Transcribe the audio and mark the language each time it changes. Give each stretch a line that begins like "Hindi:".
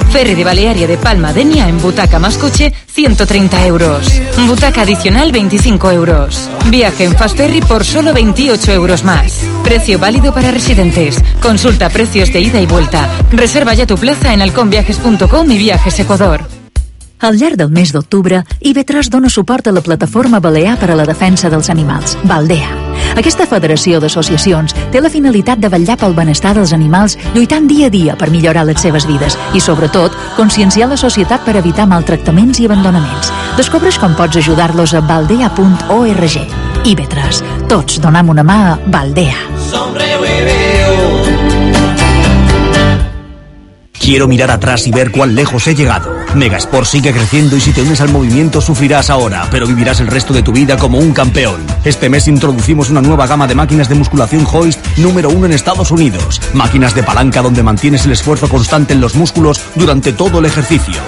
Spanish: Ferry de Balearia de Palma, Denia en butaca más coche, 130 euros. Butaca adicional, 25 euros. Viaje en Fast Ferry por solo 28 euros más. Precio válido para residentes. Consulta precios de ida y vuelta. Reserva ya tu plaza en halconviajes.com y Viajes Ecuador.
Catalan: Al llarg del mes d'octubre, IB3 dona suport a la Plataforma Balear per a la Defensa dels Animals, Baldea. Aquesta federació d'associacions té la finalitat de vetllar pel benestar dels animals lluitant dia a dia per millorar les seves vides i, sobretot, conscienciar la societat per evitar maltractaments i abandonaments. Descobreix com pots ajudar-los a baldea.org. IB3. Tots donam una mà a Baldea.
Spanish: Quiero mirar atrás y ver cuán lejos he llegado. Megasport sigue creciendo y si te unes al movimiento sufrirás ahora, pero vivirás el resto de tu vida como un campeón. Este mes introducimos una nueva gama de máquinas de musculación Hoist, número 1 en Estados Unidos. Máquinas de palanca donde mantienes el esfuerzo constante en los músculos durante todo el ejercicio.